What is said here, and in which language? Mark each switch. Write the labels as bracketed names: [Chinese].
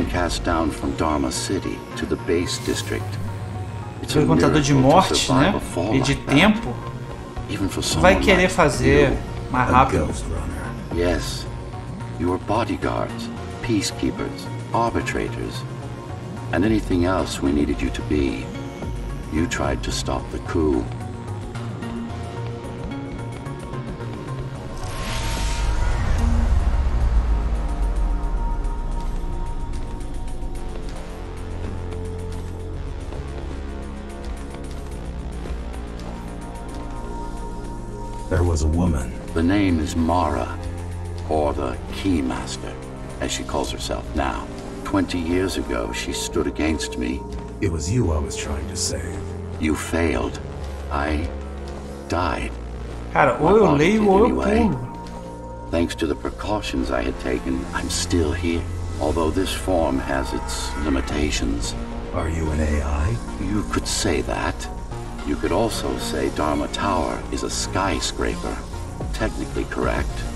[English] You've been cast down from Dharma City to the base district. [Portuguese] Aquele contador de morte, né? E de tempo. Vai querer fazer mais rápido. [English] Yes. You are bodyguards, peacekeepers, arbitrators, and anything else we needed you to be. You tried to stop the coup. There was a woman. The name is Mara, or the Keymaster, as she calls herself now. 20 years ago, she stood against me. It was you I was trying to save. You failed. I died. [Portuguese] Cara, ou eu leio ou eu pulo. [English] Thanks to the precautions I had taken, I'm still here. Although this form has its limitations. Are you an AI? You could say that. You could also say Dharma Tower is a skyscraper. Technically correct.